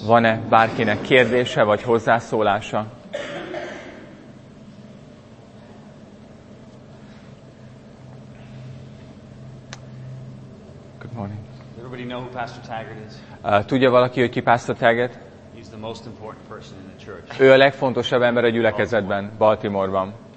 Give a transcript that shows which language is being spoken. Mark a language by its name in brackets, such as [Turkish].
[Hungarian] Van-e bárkinek kérdése vagy hozzászólása? [English] Good morning. Everybody know who Pastor Taggart is? [Hungarian] Tudja valaki, hogy ki Pastor Taggart? [English] He's the most important person in the church. [Hungarian] Ő a legfontosabb ember a gyülekezetben, Baltimore-ban.